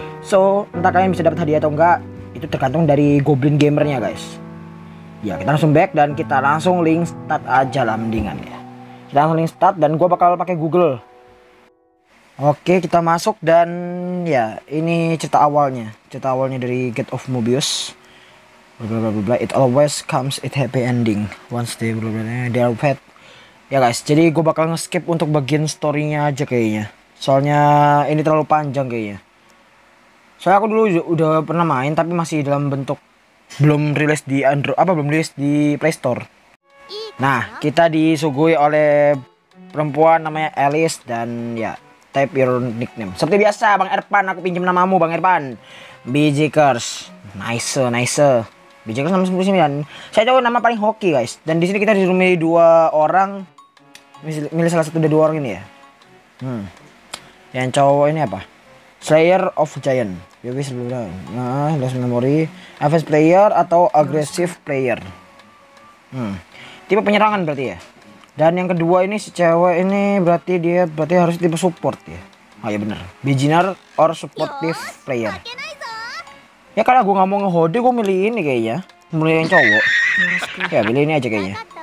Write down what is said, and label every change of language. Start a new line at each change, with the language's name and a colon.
Indonesian: So entah kalian bisa dapat hadiah atau enggak, itu tergantung dari Goblin Gamernya guys. Ya kita langsung back dan kita langsung link start aja lah mendingan ya. Kita langsung link start dan gue bakal pakai Google. Oke kita masuk dan ya ini cerita awalnya. Cerita awalnya dari Get of Mobius. Blablabla.
English: It always comes with happy ending once they are fed.
Indonesian: Ya guys, jadi gue bakal nge-skip untuk bagian story-nya aja kayaknya. Soalnya ini terlalu panjang kayaknya. Soalnya aku dulu udah pernah main tapi masih dalam bentuk belum rilis di Android, apa belum rilis di Play Store. Nah, kita disuguhi oleh perempuan namanya Alice dan ya,
English: type your nickname.
Indonesian: Seperti biasa, Bang Erpan, aku pinjam namamu Bang Erpan. Bijikers.
English: Nice, nice.
Indonesian: Bijikers 99. Saya tahu nama paling hoki, guys. Dan di sini kita dirumi dua orang. Milih salah satu dari dua orang ini ya. Yang cowok ini apa? Slayer of Giant.
English: You wish to learn. Nah, lost memory. Offense player
Indonesian: atau
English: aggressive player.
Indonesian: Tipe penyerangan berarti ya. Dan yang kedua ini si cewek ini berarti dia berarti harus tipe support ya. Ah ya benar.
English: Beginner or supportive player.
Indonesian: Ya karena gue gak mau ngehode, gue milih ini kayaknya. Mulai yang cowok. Ya pilih ini aja kayaknya.